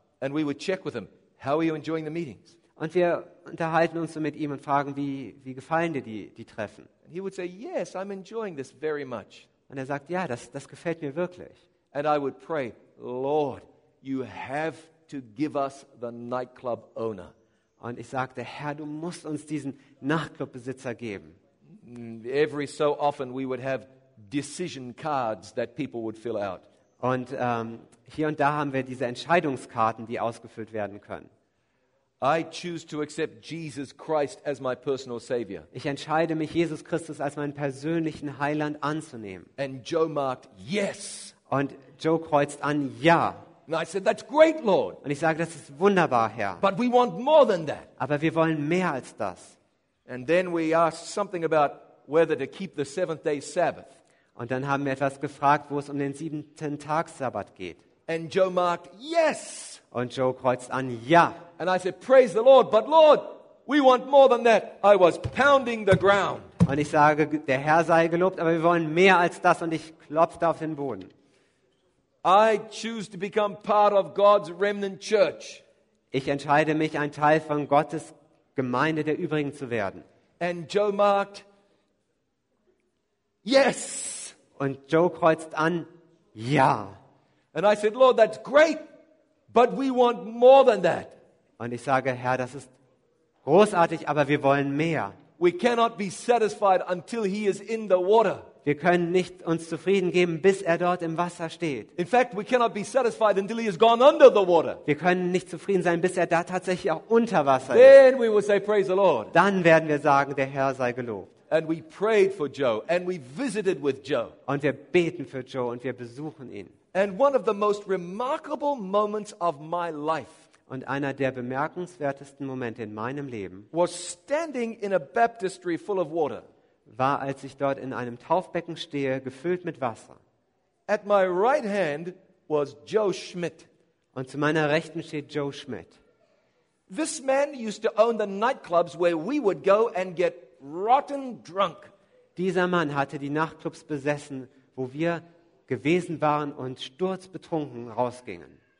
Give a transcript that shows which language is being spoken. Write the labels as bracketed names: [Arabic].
[English] And we would check with him, How are you enjoying the meetings? [German] Und wir unterhalten uns so mit ihm und fragen, wie gefallen dir die Treffen? [English] He would say, yes, I'm enjoying this very much. [German] Und er sagt, ja, das gefällt mir wirklich. [English] And I would pray, Lord, you have to give us the nightclub owner. [German] Und ich sagte, Herr, du musst uns diesen Nachtclubbesitzer geben. [English] Every so often we would have decision cards that people would fill out. [German] Und hier und da haben wir diese Entscheidungskarten, die ausgefüllt werden können. [English] I choose to accept Jesus Christ as my personal savior. [German] Ich entscheide mich, Jesus Christus als meinen persönlichen Heiland anzunehmen. [English] And Joe marked yes. [German] Und Joe kreuzt an ja. [English] And I said, that's great, Lord. [German] Und ich sage, das ist wunderbar, Herr. [English] But we want more than that. [German] Aber wir wollen mehr als das. [English] And then we asked something about whether to keep the seventh day Sabbath. [German] Und dann haben wir etwas gefragt, wo es um den siebten Tag Sabbat geht. [English] And Joe marked yes. [German] Und Joe kreuzt an ja. [English] And I said, praise the Lord, but Lord, we want more than that. I was pounding the ground. [German] Und ich sage, der Herr sei gelobt, aber wir wollen mehr als das, und ich klopfte auf den Boden. [English] I choose to become part of God's remnant church. [German] Ich entscheide mich, ein Teil von Gottes Gemeinde der Übrigen zu werden. [English] And Joe marked yes. [German] Und Joe kreuzt an ja. [English] And I said, Lord, that's great, but we want more than that. [German] Und ich sage, Herr, das ist großartig, aber wir wollen mehr. [English] We cannot be satisfied until he is in the water. [German] Wir können nicht uns zufrieden geben, bis er dort im Wasser steht. [English] In fact, we cannot be satisfied until he has gone under the water. [German] Wir können nicht zufrieden sein, bis er da tatsächlich auch unter Wasser [English] then [German] ist. [English] Then we will say, praise the Lord. [German] Dann werden wir sagen, der Herr sei gelobt. [English] And we prayed for Joe and we visited with Joe. [German] Und wir beten für Joe und wir besuchen ihn. [English] And one of the most remarkable moments of my life. [German] Und einer der bemerkenswertesten Momente in meinem Leben [English] was standing in a baptistry full of water. [German] War, als ich dort in einem Taufbecken stehe, gefüllt mit Wasser. [English] At my right hand was Joe Schmidt. [German] Und zu meiner Rechten steht Joe Schmidt. [English] This man used to own the nightclubs where we would go and get rotten drunk. [German] Dieser Mann hatte die Nachtclubs besessen, wo wir gewesen waren und sturzbetrunken rausgingen.